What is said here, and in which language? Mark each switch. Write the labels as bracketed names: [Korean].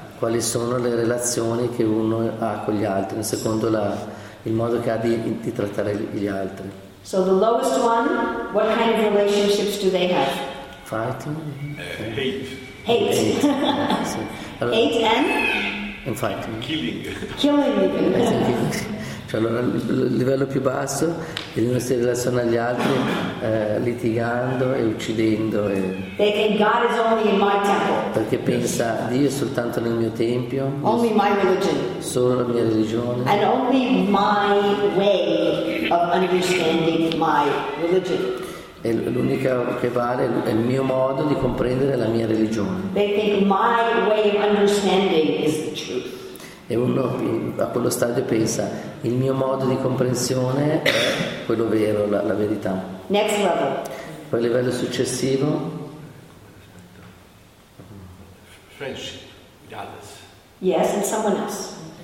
[Italian] Quali sono le relazioni che uno ha con gli altri, secondo il modo che ha di trattare gli altri. [English] So the lowest one, what kind of relationships do they have? Fighting? Hate. Hate and? And fighting. Killing. [Italian] Cioè, allora, il livello più basso è di non si relazionare agli altri litigando e uccidendo [English] God is only in my temple. [Italian] Perché pensa Dio è soltanto nel mio tempio, [English] only my religion. [Italian] Solo la mia religione [English] and only my way of understanding my religion. [Italian] E l'unica che vale è il mio modo di comprendere la mia religione. [English] They think my way of understanding is the truth. [Italian] E uno a quello stadio pensa il mio modo di comprensione è quello vero, la verità. [English] Next level. [Italian] Poi il livello successivo. [English] Friendship with others. Yes, and someone else.